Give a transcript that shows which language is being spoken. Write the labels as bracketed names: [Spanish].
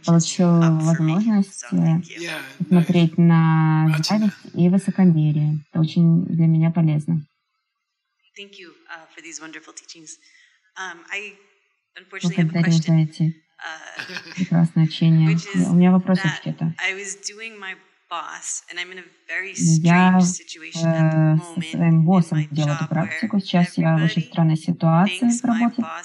[Russian] Получил возможность смотреть на зависть и высокомерие. Это очень для меня полезно. [English] Thank you for these wonderful teachings. I unfortunately have a question. [Russian] Прекрасное учение. У меня вопрос есть где-то. [English] I was doing my boss, and I'm in a very strange situation at the moment. [Russian] Я со своим боссом делаю эту практику. Сейчас я в очень странной ситуации в работе.